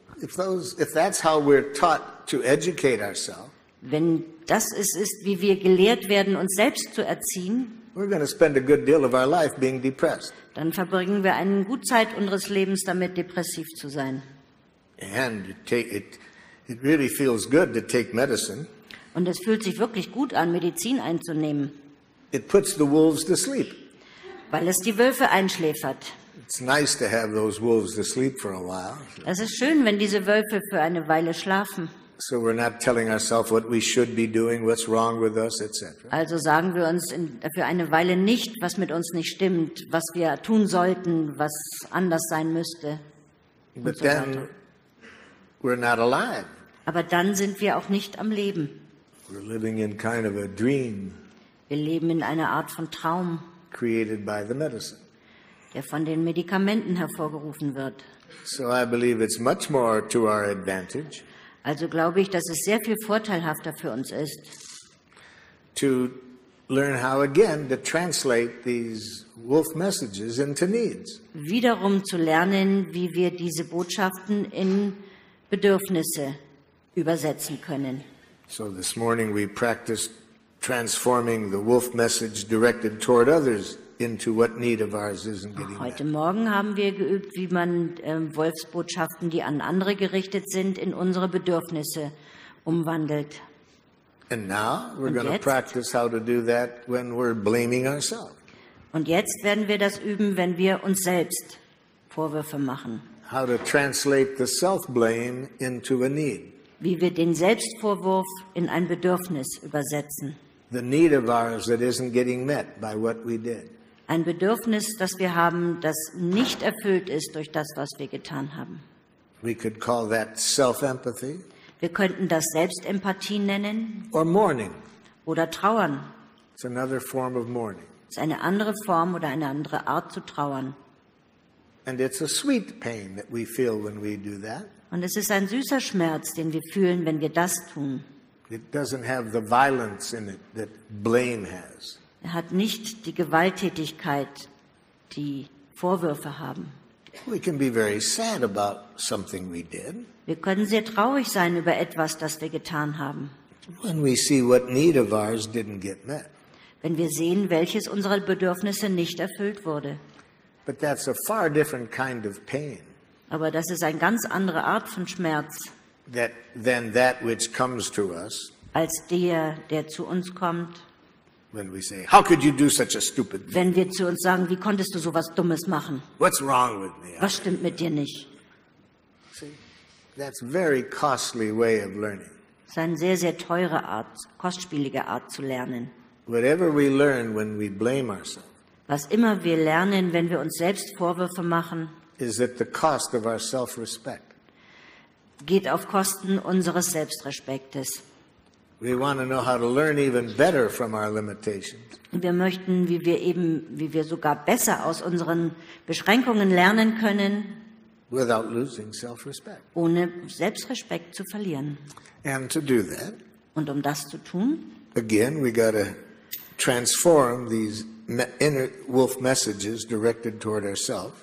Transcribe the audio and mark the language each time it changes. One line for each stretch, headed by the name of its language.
English: If that's how we're taught to educate ourselves,
German: wenn das ist, wie wir gelehrt werden, uns selbst zu erziehen,
English: we're going to spend a good deal of our life being depressed.
German: Dann verbringen wir einen guten Zeit unseres Lebens damit, depressiv zu sein.
English: And it really feels good to take medicine.
German: Und es fühlt sich wirklich gut an, Medizin einzunehmen.
English: It puts the wolves to sleep.
German: Weil es die Wölfe einschläfert.
English: It's nice to have those wolves to sleep for a while.
German: Es ist schön, wenn diese Wölfe für eine Weile schlafen.
English: So we're not telling ourselves what we should be doing, what's wrong with us, etc.
German: Also sagen wir uns für eine Weile nicht, was mit uns nicht stimmt, was wir tun sollten, was anders sein müsste.
English: But then we're not alive.
German: Aber dann sind wir auch nicht am Leben.
English: We're living in kind of a dream.
German: Wir leben in einer Art von Traum.
English: Created by the medicine.
German: Der von den Medikamenten hervorgerufen wird.
English: So I believe it's much more to our advantage.
German: Also glaube ich, dass es sehr viel vorteilhafter für uns ist,
English: to learn how again to translate these wolf messages into needs.
German: Wiederum zu lernen, wie wir diese Botschaften in Bedürfnisse übersetzen können.
English: So this morning we practiced transforming the wolf message directed toward others into what need of ours is and getting.
German: Heute Morgen haben wir geübt, wie man Wolfsbotschaften, die an andere gerichtet sind, in unsere Bedürfnisse umwandelt.
English: And now we're going to practice how to do that when we're blaming ourselves.
German: Und jetzt werden wir das üben, wenn wir uns selbst Vorwürfe machen.
English: How to translate the self-blame into a need.
German: Wie wir den Selbstvorwurf in ein Bedürfnis übersetzen.
English: The need of ours that isn't getting met by what we did.
German: Ein Bedürfnis, das wir haben, das nicht erfüllt ist durch das, was wir getan haben.
English: We could call that self-empathy.
German: Wir könnten das Selbstempathie nennen.
English: Or mourning.
German: Oder trauern.
English: It's another form of mourning.
German: Es ist eine andere Form oder eine andere Art zu trauern.
English: And it's a sweet pain that we feel when we do that.
German: Und es ist ein süßer Schmerz, den wir fühlen, wenn wir das tun.
English: It doesn't have the violence in it that blame has.
German: Er hat nicht die Gewalttätigkeit, die Vorwürfe haben.
English: We can be very sad about something we did.
German: Wir können sehr traurig sein über etwas, das wir getan haben.
English: When we see what need of ours didn't get met.
German: Wenn wir sehen, welches unserer Bedürfnisse nicht erfüllt wurde.
English: But that's a far different kind of pain.
German: Aber das ist eine ganz andere Art von Schmerz.
English: that than that which comes to us.
German: Als der zu uns kommt.
English: When we say, "How could you do such a stupid thing?"
German: Wenn wir zu uns sagen, wie konntest du so was Dummes machen?
English: What's wrong with me?
German: Was stimmt mit dir nicht?
English: See, that's a very costly way of learning.
German: Das ist eine sehr, sehr teure Art, kostspielige Art zu lernen.
English: Whatever we learn when we blame ourselves.
German: Was immer wir lernen, wenn wir uns selbst Vorwürfe machen.
English: Is at the cost of our self-respect.
German: Geht auf Kosten unseres Selbstrespektes.
English: We want to know how to learn even better from our limitations.
German: Wir möchten, wie wir sogar besser aus unseren Beschränkungen lernen können.
English: Without losing self-respect.
German: Ohne Selbstrespekt zu verlieren.
English: And to do that.
German: Und das zu tun.
English: Again, we got to transform these inner wolf messages directed toward ourselves.